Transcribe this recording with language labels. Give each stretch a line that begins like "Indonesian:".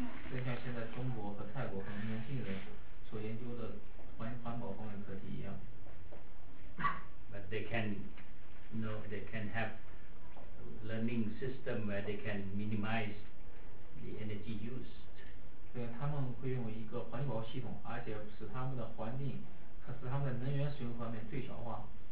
Chinese: 就像现在中国和泰国和年轻人所研究的环保方面课题一样。
English: But they can, no, they can have learning system where they can minimize the energy used.
Chinese: 对，他们会用一个环保系统，而且使他们的环境和使他们的能源使用方面最小化。